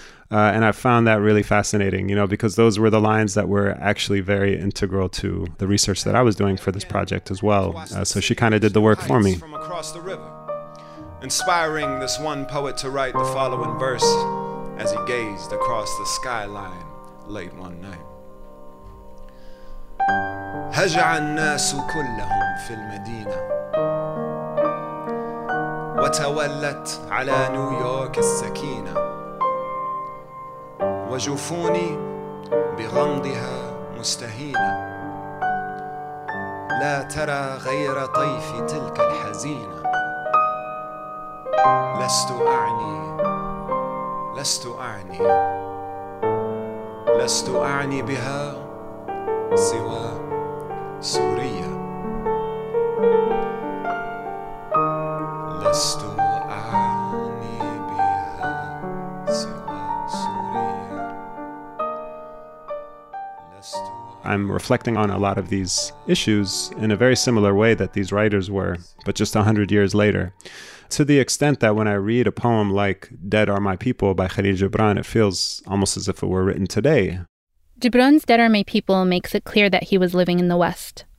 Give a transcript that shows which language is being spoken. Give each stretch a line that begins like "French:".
English: And I found that really fascinating, you know, because those were the lines that were actually very integral to the research that I was doing for this project as well. So she kind of did the work for me. From across the river, inspiring this one poet to write the following verse as he gazed across the skyline late one night.
Arabic: هجع الناس كلهم في المدينة وتولت على نيويورك السكينة وجفوني بغمضها مستهينة لا ترى غير طيفي تلك الحزينة لست أعني لست أعني لست أعني بها سوى سوريا لست أعني بها سوى سوريا لست أعني
English: I'm reflecting on a lot of these issues in a very similar way that these writers were, but just 100 years later. To the extent that when I read a poem like Dead Are My People by Khadija Gibran, it feels almost as if it were written today. Gibran's Dead Are My People makes it clear that he was living in the West.